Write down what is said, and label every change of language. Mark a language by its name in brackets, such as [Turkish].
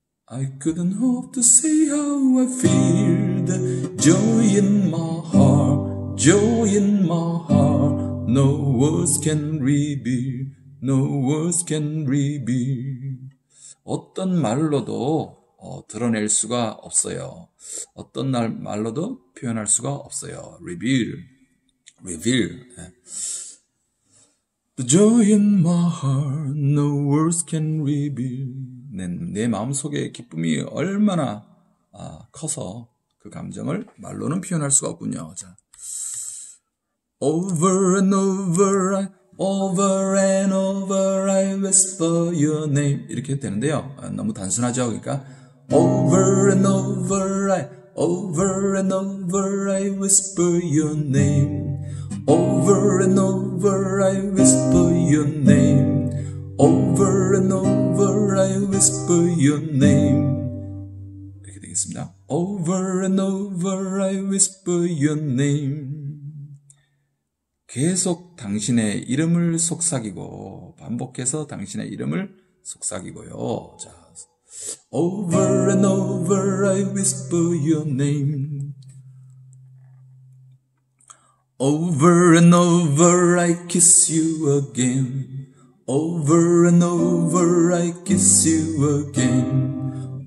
[English] I couldn't hope to say how I feel. Joy in my heart, joy in my heart. No words can reveal, no words can reveal. [Korean] 어떤 말로도 드러낼 수가 없어요. 어떤 말로도 표현할 수가 없어요. [English] Reveal, reveal. The joy in my heart, no words can reveal. [Korean] 내 마음속에 기쁨이 얼마나 커서 그 감정을 말로는 표현할 수가 없군요. 자. [English] Over and over, over and over, I whisper your name. [Korean] 이렇게 되는데요. 너무 단순하죠, 그러니까. [English] Over and over, over and over, I whisper your name. Over and over, I whisper your name. Over and over, I whisper your name. [Korean] 이렇게 되겠습니다. [English] Over and over, I whisper your name. [Korean] 계속 당신의 이름을 속삭이고, 반복해서 당신의 이름을 속삭이고요. 자. [English] Over and over, I whisper your name. Over and over, I kiss you again. Over and over, I kiss you again.